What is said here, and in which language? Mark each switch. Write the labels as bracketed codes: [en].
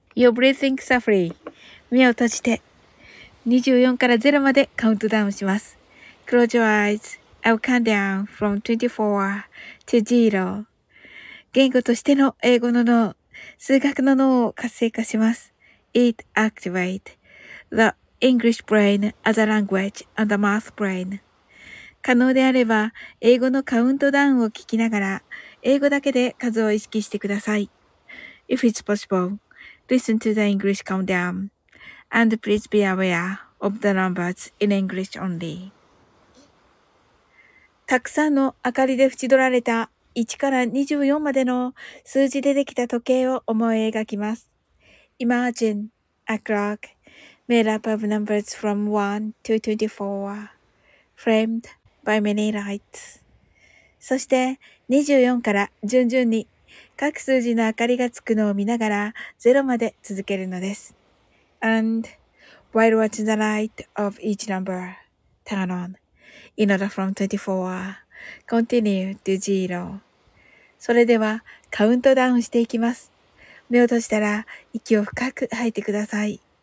[en] Your breathing is free. [ja] 目を閉じて24から0までカウントダウンします。 [en] Close your eyes. I'll count down from 24 to 0. [ja] 言語としての英語の脳、数学の脳を活性化します。 [en] It activates the English brain as a language and the math brain. [ja] 可能であれば、英語のカウントダウンを聞きながら、英語だけで数を意識してください。 [en] If it's possible, listen to the English countdown. And please be aware of the numbers in English only. [ja] たくさんの明かりで縁取られた1から24までの数字でできた時計を思い描きます。 [en] Imagine a clock made up of numbers from 1 to 24, framed by many lights. [ja] そして24から順々に各数字の明かりがつくのを見ながら0まで続けるのです。 [en] And while watching the light of each number turn on, in order from 24, continue to 0. [ja] それではカウントダウンしていきます。目を閉じたら息を深く吐いてください。